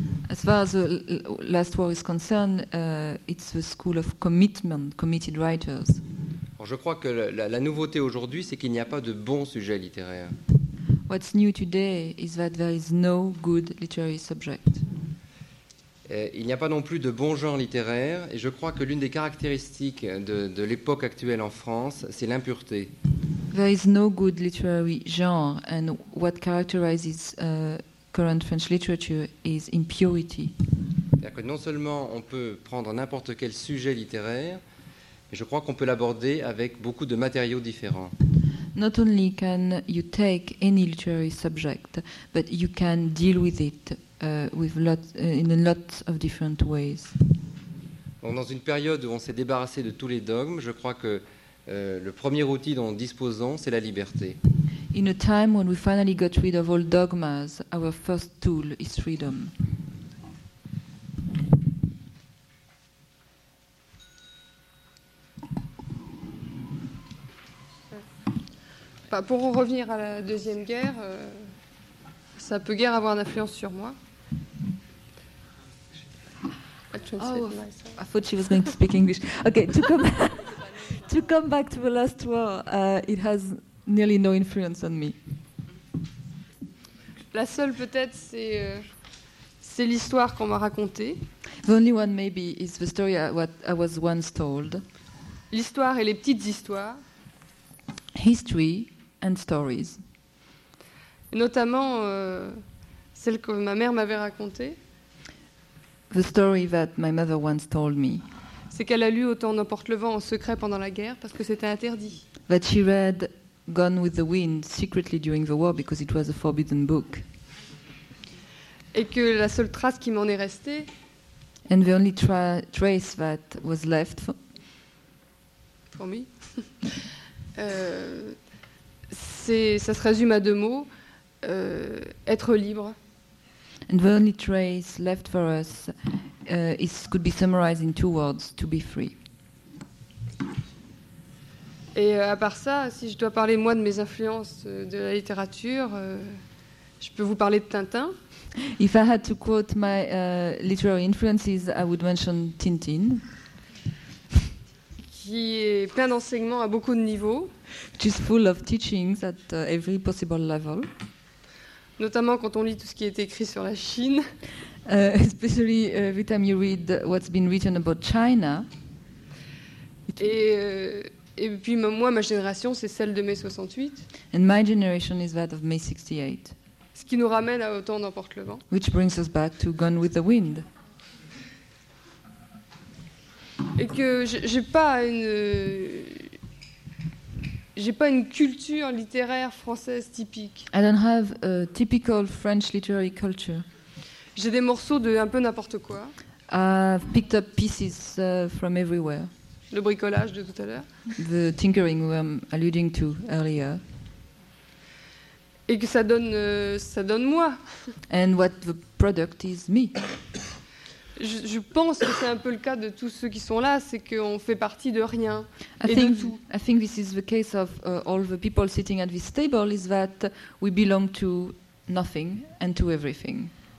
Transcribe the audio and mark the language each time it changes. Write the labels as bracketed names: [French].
[English] As far as the last war is concerned, it's the school of commitment, committed writers. [French] Je crois que la nouveauté aujourd'hui, c'est qu'il n'y a pas de bon sujet littéraire. [English] What's new today is that there is no good literary subject. [French] Il n'y a pas non plus de bon genre littéraire, et je crois que l'une des caractéristiques de l'époque actuelle en France, c'est l'impureté. [English] There is no good literary genre, and what characterizes current French literature is impurity. [French] C'est-à-dire que non seulement on peut prendre n'importe quel sujet littéraire, je crois qu'on peut l'aborder avec beaucoup de matériaux différents. [English] Not only can you take any literary subject, but you can deal with it in a lot of different ways. [French] Bon, dans une période où on s'est débarrassé de tous les dogmes, je crois que le premier outil dont nous disposons, c'est la liberté. [English] In a time when we finally got rid of all dogmas, our first tool is freedom. [French] Bah, pour en revenir à la Deuxième Guerre, ça peut guère avoir une influence sur moi. [English] Oh, I thought she was going to speak English. Okay, to come back to the last war, it has nearly no influence on me. [French] La seule peut-être, c'est l'histoire qu'on m'a racontée. [English] The only one maybe is the story I was once told. [French] L'histoire et les petites histoires. [English] History and stories. [French] Et notamment celle que ma mère m'avait racontée. [English] The story that my mother once told me. [French] C'est qu'elle a lu Autant n'emporte le vent en secret pendant la guerre parce que c'était interdit. [English] That she read Gone with the Wind secretly during the war because it was a forbidden book. [French] Et que la seule trace qui m'en est restée. [English] And the only trace that was left for me. [French] ça se résume à deux mots. Être libre. [English] And the only trace left for us could be summarized in two words, to be free. [French] Et à part ça, si je dois parler moi de mes influences de la littérature, je peux vous parler de Tintin. [English] If I had to quote my literary influences, I would mention Tintin. [French] Qui est plein d'enseignements à beaucoup de niveaux. [English] Which is full of teachings at every possible level. [French] Notamment quand on lit tout ce qui est écrit sur la Chine. [English] Especially every time you read what's been written about China. [French] Et puis moi, ma génération, c'est celle de mai 68. [English] And my generation is that of May 68. [French] Ce qui nous ramène à Autant n'emporte le vent. [English] Which brings us back to Gone with the Wind. [French] Et que j'ai pas une culture littéraire française typique. [English] I don't have a typical French literary culture. [French] J'ai des morceaux de un peu n'importe quoi. [English] I've picked up pieces from everywhere. [French] Le bricolage de tout à l'heure. [English] The tinkering I'm alluding to earlier. [French] Et que ça donne moi. [English] And what the product is me. [French] Je pense que c'est un peu le cas de tous ceux qui sont là, c'est qu'on fait partie de rien [English] I think this is the case of all the people sitting at this table, is that we belong to nothing and to everything.